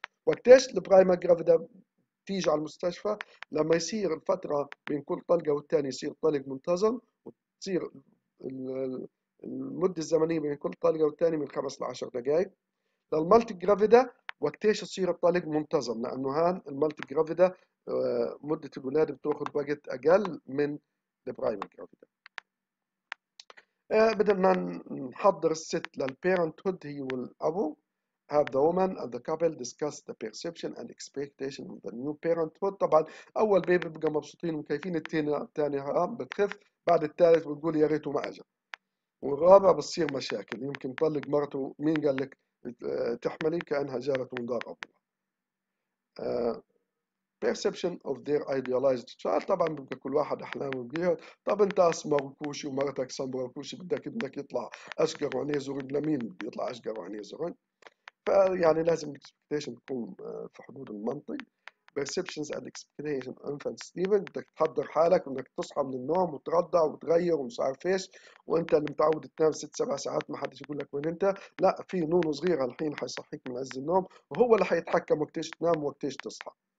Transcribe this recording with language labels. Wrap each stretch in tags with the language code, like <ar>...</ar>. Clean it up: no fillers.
<ar>وقتيش البرايمر جرافيدا تيجي على المستشفى؟ لما يصير الفتره بين كل طلقه والثانيه يصير طلق منتظم، وتصير المده الزمنيه بين كل طلقه والثانيه من 5 لـ10 دقائق. للمالتي جرافيدا وقتيش يصير الطلق منتظم؟ لانه هان المالتي جرافيدا مدة الولادة بتاخذ وقت أقل من البرايمري جرافيدا. بدل ما نحضر الست للبيرنت هود هي والأبو،</ar> <en>have the woman and the couple discuss the perception and expectation of the new parent hood.</en> <ar>طبعا أول بيبي بقى مبسوطين وكيفين، التاني بتخف، بعد الثالث بتقول يا ريته ما أجا، والرابع بتصير مشاكل، يمكن طلق مرته، مين قال لك تحملي، كأنها جارت من دار أبوها.</ar> <en>Perception of their idealized child.</en> <ar>طبعا بيبقى كل واحد احلامه بيها، طب انت اسمر وكوشي ومرتك سمر وكوشي، بدك يطلع اشقر وعينيه زرق، لمين بيطلع اشقر وعينيه زرق؟ فيعني لازم expectation تكون في حدود المنطق.</ar> <en>Perceptions and expectation of infant sleeping،</en> <ar>بدك تحضر حالك انك تصحى من النوم وترضع وتغير ومش عارف ايش، وانت اللي متعود تنام 6 7 ساعات ما حدش يقول لك وين انت، لا في نونو صغيره الحين حيصحيك من عز النوم، وهو اللي حيتحكم وقتيش تنام وقتيش تصحى.</ar>